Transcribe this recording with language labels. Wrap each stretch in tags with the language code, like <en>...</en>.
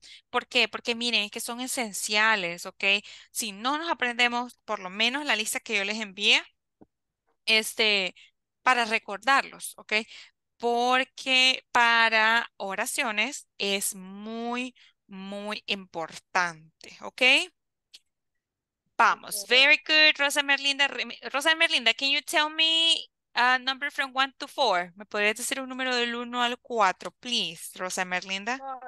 <es>¿Por qué? Porque miren, es que son esenciales, ¿ok? Si no nos aprendemos por lo menos la lista que yo les envié, este, para recordarlos, ¿ok? Porque para oraciones es muy, muy importante, ¿ok? Vamos,</es> <en>very good, Rosa Merlinda. Rosa Merlinda, can you tell me a number from 1 to 4?</en> <es>¿Me podrías decir un número del 1 al 4, please, Rosa Merlinda?</es>